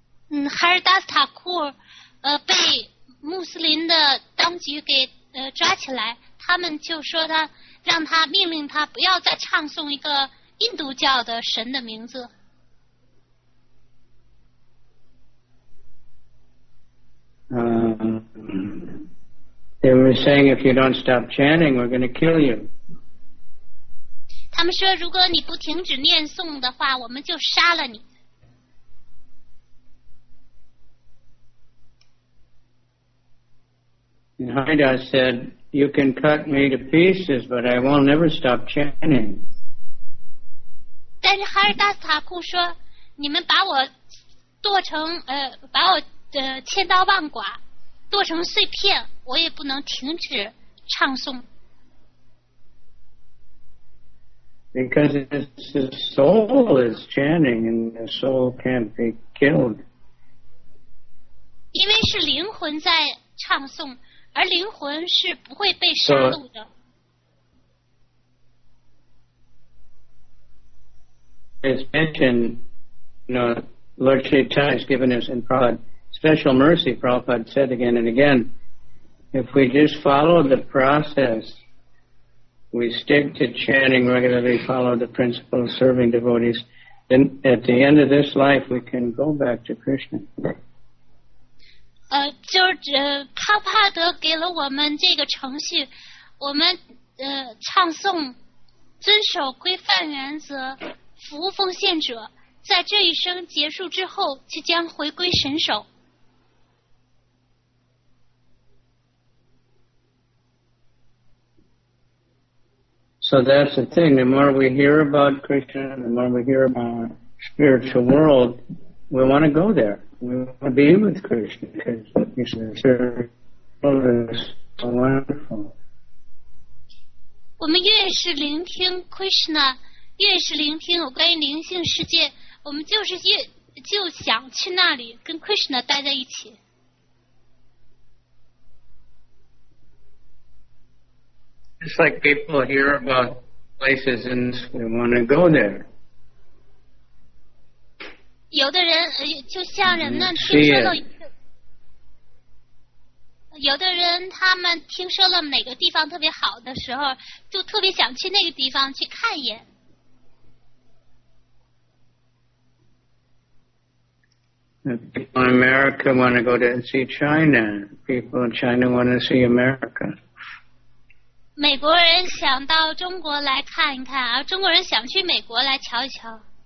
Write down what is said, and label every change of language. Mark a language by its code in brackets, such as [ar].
[zh] Haridas Thakur, 被穆斯林的当局给抓起来，他们就说他，让他命令他不要再唱诵一个印度教的神的名字。 [en] They were saying, if you don't stop chanting, we're going to kill you. [zh] 他们说，如果你不停止念诵的话，我们就杀了你。 [en] And Haridas said, you can cut me to pieces, but I will never stop chanting. [zh] 但是哈尔达斯塔库说，你们把我剁成把我千刀万剐，剁成碎片，我也不能停止唱诵。 [en] Because the soul is chanting, and the soul can't be killed. [zh] 因为是灵魂在唱诵，而灵魂是不会被杀戮的。 [en] As mentioned, you know, Lord Chaitanya has given us in Prabhupada special mercy, Prabhupada said again and again, if we just follow the process, we stick to chanting regularly, follow the principle of serving devotees, then at the end of this life, we can go back to Krishna. [zh] 帕帕德给了我们这个程序，我们唱诵，遵守规范原则，服务奉献者，在这一生结束之后，就将回归神手。 [en] So that's the thing. The more we hear about Krishna, the more we hear about our spiritual world, we want to go there. We want to be with Krishna because Krishna's world is so wonderful. [zh] 我们越是聆听 Krishna， 越是聆听有关于灵性世界，我们就是越就想去那里跟 Krishna 待在一起。 [en] It's like people hear about places and they want to go there. [zh] 有的人就像人们听说了，有的人他们听说了哪个地方特别好的时候，就特别想去那个地方去看一眼。 [en] People in America want to go there and see China. People in China want to see America. [zh] 美国人想到中国来看一看，而中国人想去美国来瞧一瞧。